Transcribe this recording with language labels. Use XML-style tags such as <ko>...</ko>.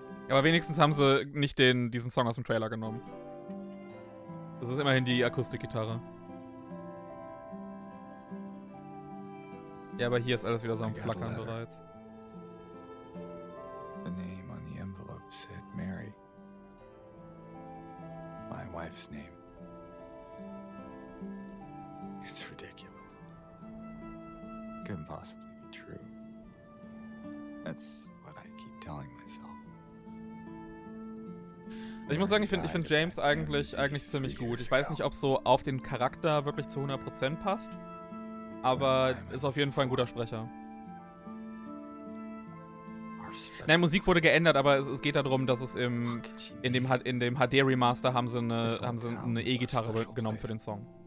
<de>Aber wenigstens haben sie nicht diesen Song aus dem Trailer genommen. Das ist immerhin die Akustikgitarre. Ja, aber hier ist alles wieder so am Flackern bereits.</de> <en>The name on the envelope said Mary. My wife's name. It's ridiculous. Couldn't possibly be true. That's what I keep telling myself.</en> <de>Ich muss sagen, ich find James eigentlich ziemlich gut. Ich weiß nicht, ob es so auf den Charakter wirklich zu 100% passt, aber ist auf jeden Fall ein guter Sprecher. Nein, Musik wurde geändert, aber es geht darum, dass es in dem HD Remaster haben sie eine E-Gitarre genommen für den Song.</de>